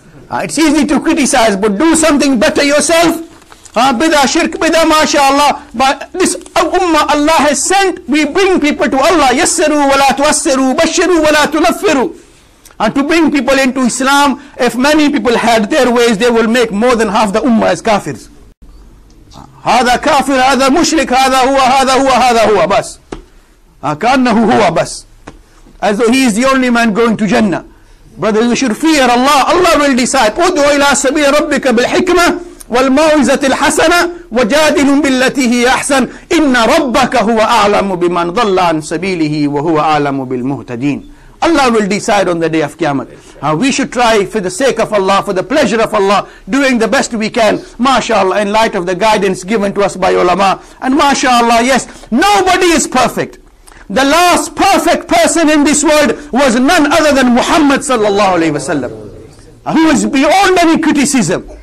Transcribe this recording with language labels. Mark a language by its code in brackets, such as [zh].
[en] It's easy to criticize, but do something better yourself. Bidah, shirk, bidah, mashallah. But this ummah Allah has sent, we bring people to Allah. [ar] Yassiru wa la tuassiru, bashiru wa la tunaffiru. [en] And to bring people into Islam, if many people had their ways, they will make more than half the ummah as kafirs. [ar] هذا كافر هذا مشرك هذا هو هذا هو هذا هو بس كأنه هو بس [en] as though he is the only man going to Jannah. Brother, you should fear Allah. Allah will decide. [ar] ادعو إلى سبيل ربك بالحكمة والموعظة الحسنة وجادل بالتي هي أحسن إن ربك هو أعلم بمن ضل عن سبيله وهو أعلم بالمهتدين. [en] Allah will decide on the day of Qiyamah. We should try for the sake of Allah, for the pleasure of Allah, doing the best we can, mashallah, in light of the guidance given to us by ulama. And mashallah, yes, nobody is perfect. The last perfect person in this world was none other than Muhammad sallallahu alayhi wa sallam, who is beyond any criticism.